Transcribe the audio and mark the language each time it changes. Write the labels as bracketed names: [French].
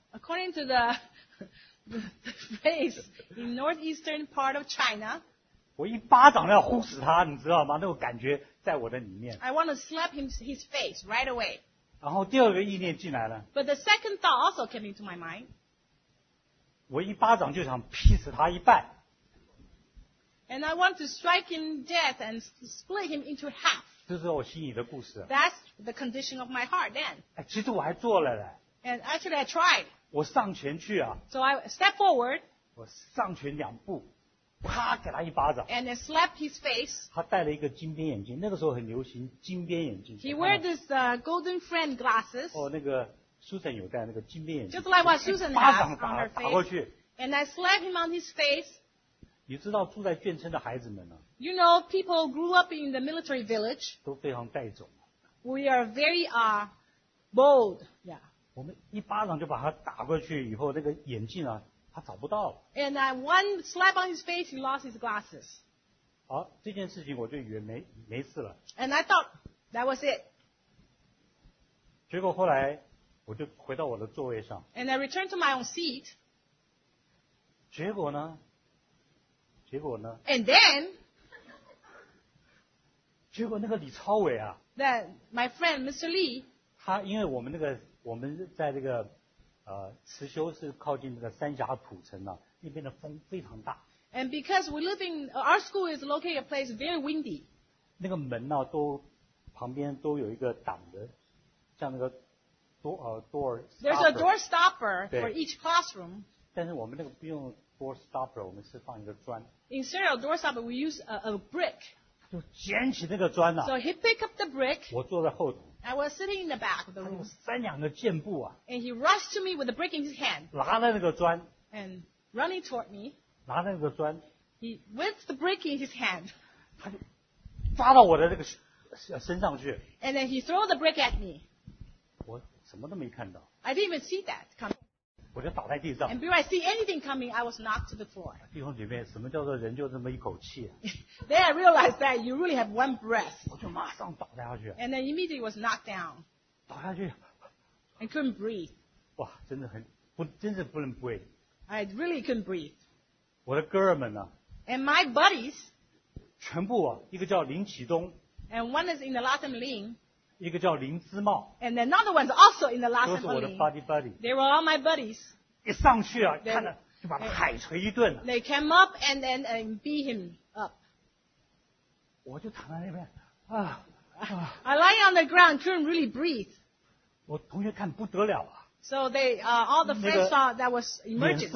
[English] According to the The face in northeastern part of China. [Chinese] 我一巴掌要呼死他，你知道吗？那种感觉在我的里面。 [English] I want to slap his face right away. [Chinese] 然后第二个意念进来了。 [English] But the second thought also came into my mind. [Chinese] 我一巴掌就想劈死他一半。 [English] And I want to strike him dead and split him into half. [Chinese] 这是我心里的故事。 [English] That's the condition of my heart then. [Chinese] 哎，其实我还做了嘞。 [English] And actually, I tried. [Chinese] 我上前去啊。 [English] So I step forward. [Chinese] 我上前两步，啪，给他一巴掌。 [English] And I slapped his face. [Chinese] 他戴了一个金边眼镜，那个时候很流行金边眼镜。 [English] He wore this golden frame glasses. [Chinese] 哦，那个 Susan 有戴那个金边眼镜。 [English] Just like what Susan has on her face. [Chinese] 打过去。 [English] And I slapped him on his face. [Chinese] 你知道住在眷村的孩子们呢 [English] ？You know, people grew up in the military village. [Chinese] 都非常带种。 [English] We are very bold. Yeah. [Chinese] 我们一巴掌就把他打过去，以后那个眼镜啊，他找不到了。 [English] And I one slap on his face, he lost his glasses. [Chinese] 好，这件事情我就以为没事了。 [English] And I thought that was it. [Chinese] 结果后来我就回到我的座位上。 [English] And I returned to my own seat. [Chinese] 结果呢 [English] ？And then. [Chinese] 结果那个李超伟啊。 [English] That my friend Mr. Lee. [Chinese] 他因为我们那个。我们在这个慈修是靠近这个三峡土城啊，那边的风非常大。 [English] And because we live in our school is located a place very windy. [Chinese] 那个门呢、啊，都旁边都有一个挡的，像那个 [English] door stopper, There's a door stopper for each classroom. [Chinese] 但是我们那个不用 [English] door stopper， [Chinese] 我们是放一个砖。 [English] Instead of door stopper, we use a brick. [Chinese] 就捡起那个砖了、啊。 [English] So he picked up the brick. [Chinese] 我坐在后头。 [English] I was sitting in the back of the room. [Chinese] 三两个箭步啊！ [English] And he rushed to me with a brick in his hand. [Chinese] 拿了那个砖。 [English] And running toward me. [Chinese] 拿了那个砖。 [English] He with the brick in his hand. [Chinese] 他就抓到我的那个身上去。 [English] And then he threw the brick at me. [Chinese] 我什么都没看到。 [English] I didn't even see that coming. [Chinese] 我就倒在地上。 [English] And before I see anything coming, I was knocked to the floor. [Chinese] 弟兄姐妹，什么叫做人就这么一口气啊？ [English] Then I realized that you really have one breath. [Chinese] 我就马上倒下去。 [English] And then immediately was knocked down. [Chinese] 倒下去。 [English] I couldn't breathe. [Chinese] 哇，真的很不，真的不能 breathe. [English] I really couldn't breathe. [Chinese] 我的哥们呢 [English] ？And my buddies. [Chinese] 全部啊，一个叫林启东。 [English] And one is in the last name Lin. [Chinese] 一个叫林姿茂。 [English] And another one is also in the last name Lin. [Chinese] 都是我的 [English] buddy buddy. They were all my buddies. [Chinese] 一上去啊， they, 看了就把他海锤一顿了。 [English] They came up and then and beat him up. [Chinese] 我就躺在那边啊。 [English] I lay on the ground, couldn't really breathe. [Chinese] 我同学看不得了啊。 [English] So they, all the friends saw that was emergency.